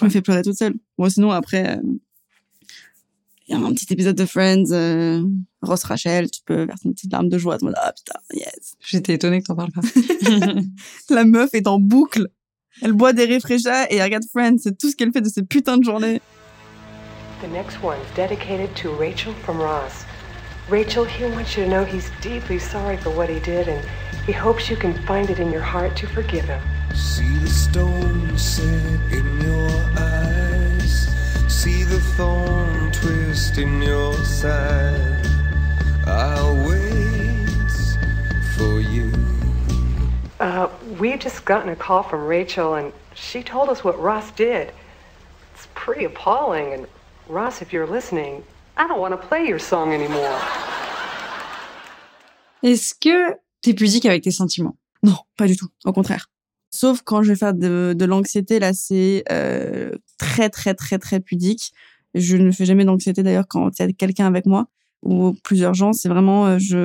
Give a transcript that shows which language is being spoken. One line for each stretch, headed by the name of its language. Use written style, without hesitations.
French: Je me fais pleurer toute seule. Bon, sinon, après, il y a un petit épisode de Friends, Ross, Rachel, tu peux verser une petite larme de joie. Tu me dis, ah, putain, yes. J'étais étonnée que t'en parles pas. La meuf est en boucle. Elle boit des réfraîchats et regarde Friends. C'est tout ce qu'elle fait de ces putains de journées.
English: The next one's dedicated to Rachel from Ross. Rachel, he wants you to know he's deeply sorry for what he did and he hopes you can find it in your heart to forgive him. See the stone set in your eyes. See the thorn twist in your side. I'll wait for you. We've just gotten a call from Rachel, and she told us what Ross did. It's pretty appalling, and Ross, if you're listening, I don't want to play your song anymore.
French: Est-ce que t'es pudique avec tes sentiments? Non, pas du tout, au contraire. Sauf quand je vais faire de l'anxiété, là, c'est très, très, très, très pudique. Je ne fais jamais d'anxiété, d'ailleurs, quand il y a quelqu'un avec moi, ou plusieurs gens, c'est vraiment...